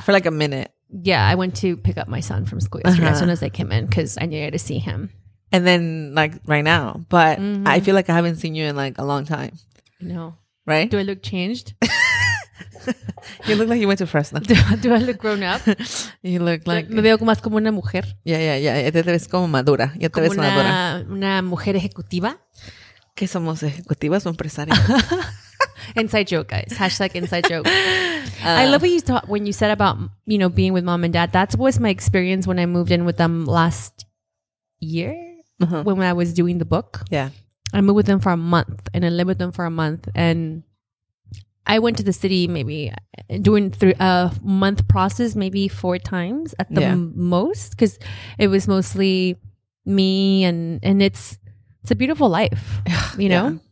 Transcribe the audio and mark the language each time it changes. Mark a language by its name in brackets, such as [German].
[English] For like a minute. Yeah, I went to pick up my son from school yesterday as soon as I came in because I needed to see him. And then like right now. But I feel like I haven't seen you in like a long time. No. Right? Do I look changed? You look like you went to Fresno. Do I look grown up? You look like... [Spanish] Me veo más como una mujer. Yeah. Te ves como madura. Ya te ves madura. Una mujer ejecutiva. ¿Qué somos? ¿Ejecutivas o empresarias? [English] Inside joke, guys. Hashtag inside joke. I love what you thought when you said about, you know, being with mom and dad. That was my experience when I moved in with them last year. Uh-huh. When I was doing the book. Yeah. I moved with them for a month and I lived with them for a month. And I went to the city maybe during a month process, maybe 4 times at the most, because it was mostly me and it's a beautiful life, you know?